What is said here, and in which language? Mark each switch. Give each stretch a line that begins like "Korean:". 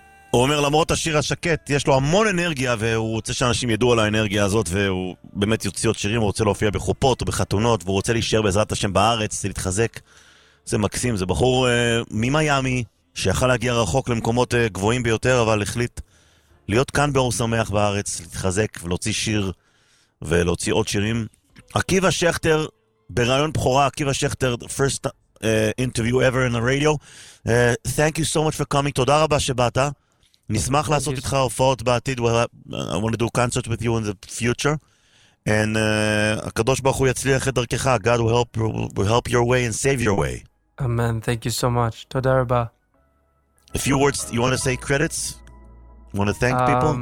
Hebrew: הוא אומר, למרות השיר השקט, יש לו המון אנרגיה, והוא רוצה שאנשים ידעו על האנרגיה הזאת, והוא באמת יוציא עוד שירים, הוא רוצה להופיע בחופות ובחתונות, והוא רוצה להישאר בעזרת השם בארץ, להתחזק. זה מקסים, זה בחור ממיימי, שיכל להגיע רחוק למקומות גבוהים ביותר, אבל החליט להיות כאן באור שמח בארץ, להתחזק ולהוציא שיר, ולהוציא עוד שירים.
English: עקיבא שכטר,
Hebrew: ברעיון בחורה,
English: עקיבא שכטר, first interview ever in the radio. Thank you so much for coming.
Hebrew: תודה רבה שבאת. נשמח לעשות איתך הופעות בעתיד.
English: I want to do concerts with you in the future.
Hebrew: And הקדוש ברוך הוא יצליח את דרכך.
English: God will help your way and save your way. Amen. Thank you so much.
Hebrew: תודה רבה.
English: A few words. You want to say credits? You want to thank people?